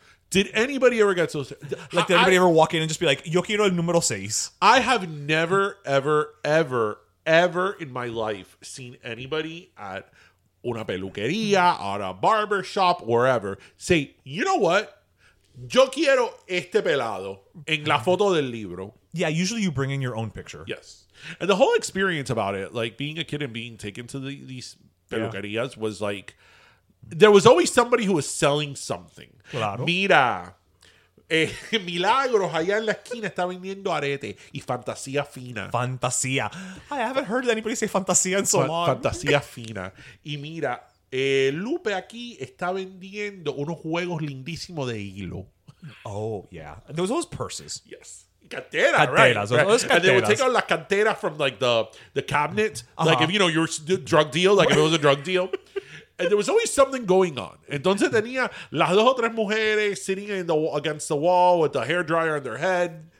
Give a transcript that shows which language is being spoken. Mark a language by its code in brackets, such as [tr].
[en] Did anybody ever get those? Did anybody ever walk in and just be like, [es] yo quiero el número seis? [en] I have never, ever, ever, ever in my life seen anybody at [es] una peluqueria, [en] at a barbershop, wherever, say, you know what? [es] Yo quiero este pelado en la foto del libro. [en] Yeah, usually you bring in your own picture. Yes. And the whole experience about it, like being a kid and being taken to these peluquerías, was like, there was always somebody who was selling something. [es] Claro. Mira, Milagros allá en la esquina está vendiendo arete y fantasía fina. [en] Fantasía. I haven't heard anybody say fantasía in so long. [es] Fantasía fina. Y mira... Lupe aquí está vendiendo unos juegos lindísimos de hilo. [en] Oh, yeah. Those purses. Yes. Canteras, right? And they would take out [es] las canteras [en] from, like, the cabinet. Uh-huh. Like, if, you know, your drug deal, like, if it was a drug deal. And there was always something going on. [es] Entonces tenía las dos o tres mujeres [en] sitting against the wall with the hair dryer on their head.